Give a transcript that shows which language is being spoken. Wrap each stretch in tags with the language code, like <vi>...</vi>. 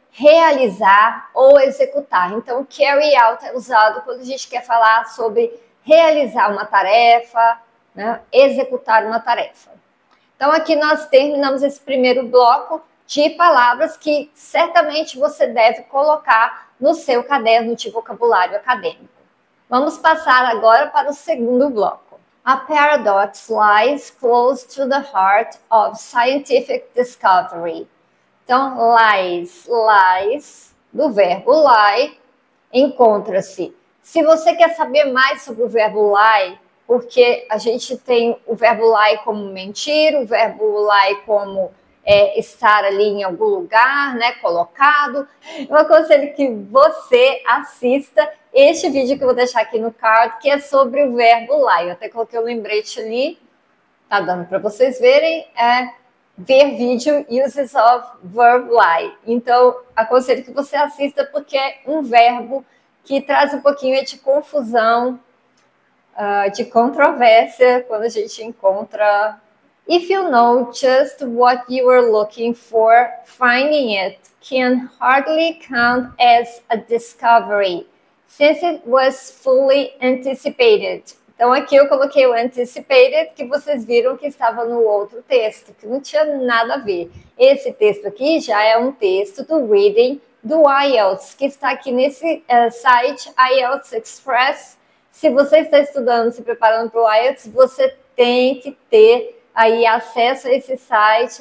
<pt>realizar ou executar. Então, carry out é usado quando a gente quer falar sobre realizar uma tarefa, né? Executar uma tarefa. Então, aqui nós terminamos esse primeiro bloco de palavras que certamente você deve colocar no seu caderno de vocabulário acadêmico. Vamos passar agora para o segundo bloco.</pt> <en>A paradox lies close to the heart of scientific discovery.</en> <pt>Então, lies, do verbo lie, encontra-se. Se você quer saber mais sobre o verbo lie, porque a gente tem o verbo lie como mentir, o verbo lie como estar ali em algum lugar, né, colocado, eu aconselho que você assista este vídeo que eu vou deixar aqui no card, que é sobre o verbo lie. Eu até coloquei um lembrete ali, tá dando para vocês verem, ver vídeo</pt> <en>uses of verb lie.</en> <pt>Então, aconselho que você assista porque é um verbo que traz um pouquinho de confusão, de controvérsia quando a gente encontra.</pt> <en>If you know just what you are looking for, finding it can hardly count as a discovery, since it was fully anticipated.</en> <pt>Então, aqui eu coloquei o anticipated, que vocês viram que estava no outro texto, que não tinha nada a ver. Esse texto aqui já é um texto do reading do IELTS, que está aqui nesse site, IELTS Express. Se você está estudando, se preparando para o IELTS, você tem que ter aí acesso a esse site.</pt>